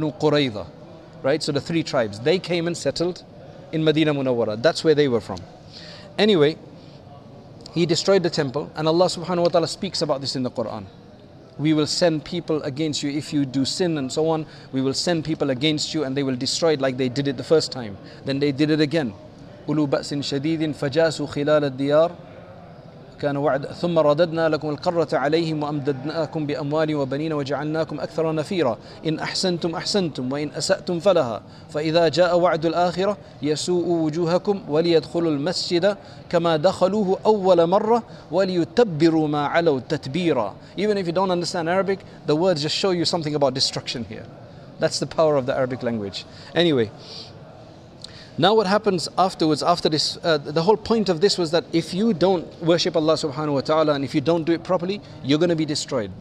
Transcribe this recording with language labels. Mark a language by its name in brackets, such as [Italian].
[English] Banu Qurayza, right? So the three tribes, they came and settled in Medina Munawwara. That's where they were from. Anyway, he destroyed the temple, and Allah subhanahu wa ta'ala speaks about this in the Quran. We will send people against you if you do sin and so on. We will send people against you and they will destroy it like they did it the first time. Then they did it again. [Arabic] Ulu ba'sin shadidin fajasu khilal ad-diyar. كان وعد ثم رددنا لكم القرة عليهم وأمددناكم بأموال وبنين وجعلناكم أكثر نفيرا إن أحسنتم أحسنتم وإن أسأتم فلها فإذا جاء وعد الآخرة يسوءوا وجوهكم وليدخلوا المسجد كما دخلوه أول مرة وليتبروا ما علوا تتبيرا. [English] Even if you don't understand Arabic, the words just show you something about destruction here. That's the power of the Arabic language. Anyway, now what happens afterwards, after this, the whole point of this was that if you don't worship Allah subhanahu wa ta'ala and if you don't do it properly, you're going to be destroyed.